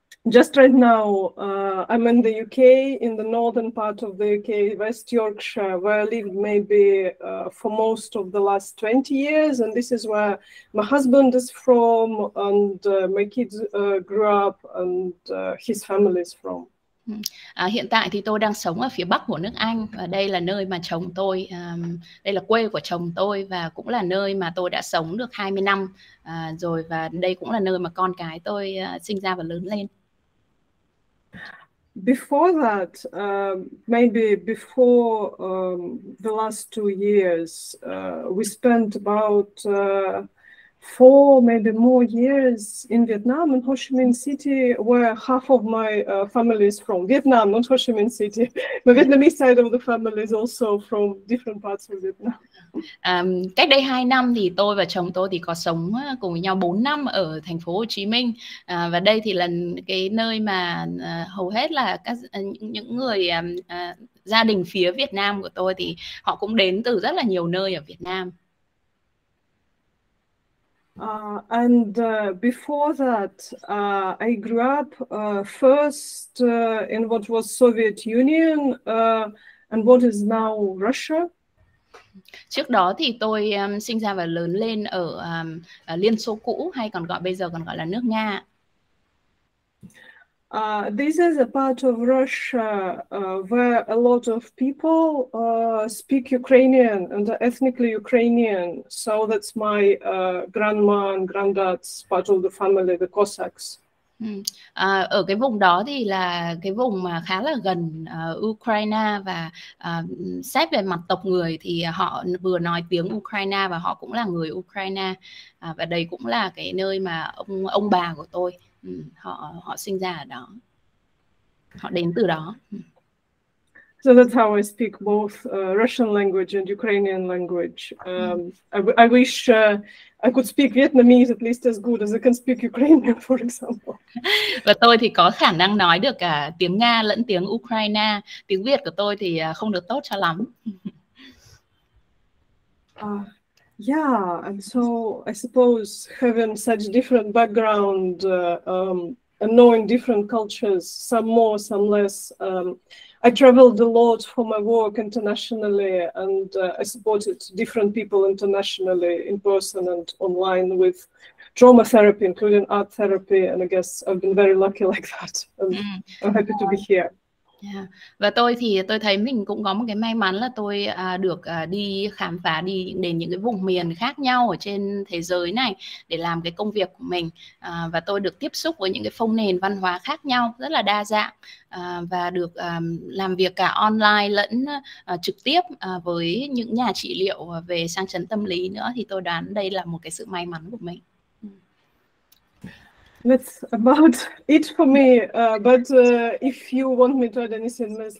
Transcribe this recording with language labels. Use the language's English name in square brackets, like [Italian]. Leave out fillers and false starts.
[English] Just right now, I'm in the UK, in the northern part of the UK, West Yorkshire, where I lived maybe for most of the last 20 years. And this is where my husband is from, and my kids grew up, and his family is from. [Vietnamese] Hiện tại thì tôi đang sống ở phía bắc của nước Anh, và đây là nơi mà chồng tôi, đây là quê của chồng tôi, và cũng là nơi mà tôi đã sống được 20 năm rồi, và đây cũng là nơi mà con cái tôi sinh ra và lớn lên. [English] Before that, maybe before the last 2 years, we spent about 4, maybe more years in Vietnam, in Ho Chi Minh City, where half of my family is from. Vietnam, not Ho Chi Minh City. My Vietnamese side of the family is also from different parts of Vietnam. [Vietnamese] Cách đây 2 năm thì tôi và chồng tôi thì có sống cùng nhau 4 năm ở thành phố Hồ Chí Minh, và đây thì là cái nơi mà hầu hết là các những người gia đình phía Việt Nam của tôi thì họ cũng đến từ rất là nhiều nơi ở Việt Nam. [English] Before that, I grew up first in what was Soviet Union and what is now Russia. [Vietnamese] Trước đó thì tôi sinh ra và lớn lên ở Liên Xô cũ, hay còn gọi bây giờ còn gọi là nước Nga. [English] This is a part of Russia where a lot of people speak Ukrainian and are ethnically Ukrainian. So that's my grandma and granddad's part of the family, the Cossacks. [Vietnamese] Ở cái vùng đó thì là cái vùng mà khá là gần Ukraine, và xét về mặt tộc người thì họ vừa nói tiếng Ukraine và họ cũng là người Ukraine, và đây cũng là cái nơi mà ông bà của tôi họ sinh ra ở đó, họ đến từ đó. [English] So that's how I speak both Russian language and Ukrainian language. I wish I could speak Vietnamese at least as good as I can speak Ukrainian, for example. [Vietnamese] Và tôi thì có khả năng nói được cả tiếng Nga lẫn tiếng Ukraine. Tiếng Việt của tôi thì không được tốt cho lắm. [English] And so I suppose having such different background, and knowing different cultures, some more, some less. I traveled a lot for my work internationally, and I supported different people internationally in person and online with trauma therapy, including art therapy. And I guess I've been very lucky like that. And I'm happy to be here. [Vietnamese] Và tôi thì tôi thấy mình cũng có một cái may mắn là tôi được đi khám phá đi đến những cái vùng miền khác nhau ở trên thế giới này để làm cái công việc của mình, và tôi được tiếp xúc với những cái phong nền văn hóa khác nhau rất là đa dạng, và được làm việc cả online lẫn trực tiếp với những nhà trị liệu về sang chấn tâm lý nữa, thì tôi đoán đây là một cái sự may mắn của mình. [English] That's about it for me. But if you want me to add anything, Ms.